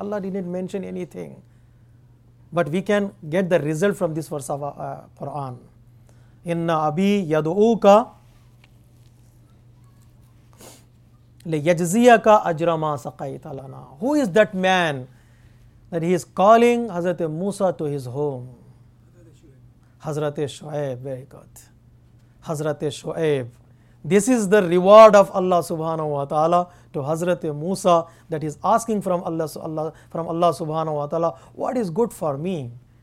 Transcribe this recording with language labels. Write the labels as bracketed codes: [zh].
[en] Allah didn't mention anything. But we can get the result from this verse of Quran. [ar] Inna abi yadu'uka لَيَجْزِيَكَ أَجْرَ مَا سَقَيْتَ لَنَا. [en] Who is that man that he is calling Hazrat Musa to his home? Hazrat Shu'aib. Very good. Hazrat Shu'aib. This is the reward of Allah subhanahu wa ta'ala to Hazrat Musa, that he is asking from Allah subhanahu wa ta'ala, what is good for me?